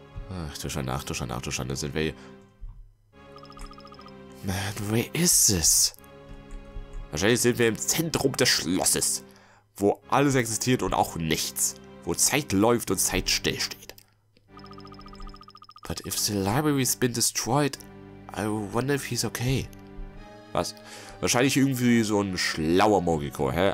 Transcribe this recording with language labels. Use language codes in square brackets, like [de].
[de] Ach, du Schande, sind wir hier. [en] Man, where is this? [de] Wahrscheinlich sind wir im Zentrum des Schlosses, wo alles existiert und auch nichts. Wo Zeit läuft und Zeit stillsteht. [en] But if the library's been destroyed, I wonder if he's okay. [de] Was? Wahrscheinlich irgendwie so ein schlauer Morgico, hä?